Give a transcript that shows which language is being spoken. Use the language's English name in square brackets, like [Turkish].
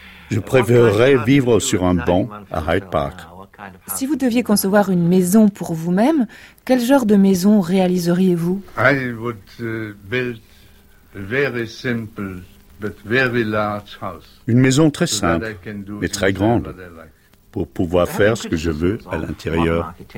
[French] Je préférerais vivre sur un banc à Hyde Park. Si vous deviez concevoir une maison pour vous-même, quel genre de maison réaliseriez-vous ? [English] I would build a very simple but very large house. [French] Une maison très simple, mais très grande, pour pouvoir faire ce que je veux à l'intérieur.